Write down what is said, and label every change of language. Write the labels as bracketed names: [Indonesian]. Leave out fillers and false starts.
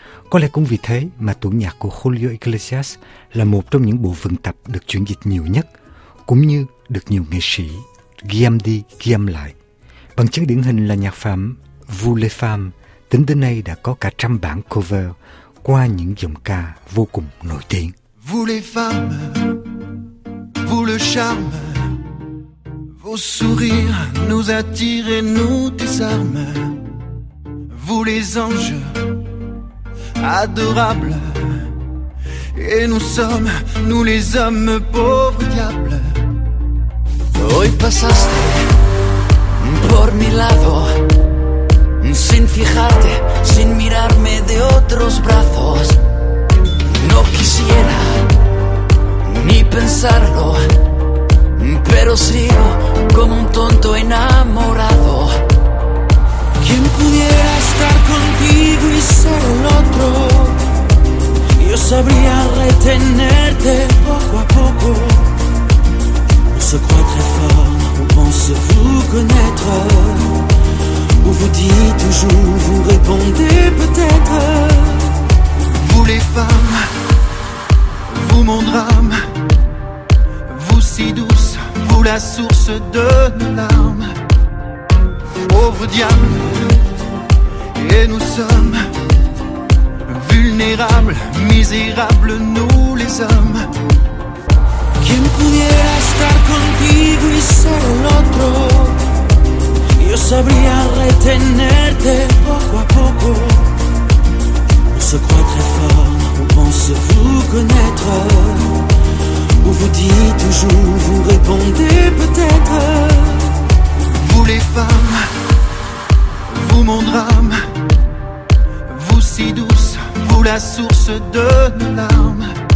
[Vietnamese] Có lẽ cũng vì thế mà tuồng nhạc của Julio Iglesias là một trong những bộ vườn tập được chuyển dịch nhiều nhất, cũng như được nhiều nghệ sĩ ghi âm đi, ghi âm lại. Bằng chứng điển hình là nhạc phẩm Vous les femmes, tính đến nay đã có cả 100 bản cover qua những giọng ca vô cùng nổi tiếng. [French] Vous les femmes, vous le charme, vos sourires nous attirent et nous désarment. Vous les anges, adorables, et nous sommes les hommes pauvres diables. [Spanish] Hoy pasaste por mi lado, sin fijarte, sin mirarme de otros brazos. No quisiera ni pensarlo, pero sigo como un tonto enamorado. ¿Quién pudiera estar contigo y ser el otro? Yo sabría retenerte poco a poco. [French] On se croit très fort, on pense vous connaître. Vous vous dites toujours, vous répondez peut-être. Vous les femmes, vous mon drame, vous si douce, vous la source de nos larmes. Pauvre diable, et nous sommes vulnérables, misérables nous les hommes. [Spanish] Qui pudiera estar contigo y ser el otro? Yo sabría retenerte poco a poco. [French] On se croit très fort, on pense vous connaître. On vous dit toujours, vous répondez peut-être. Vous les femmes, vous mon drame, vous si douce, vous la source de nos larmes.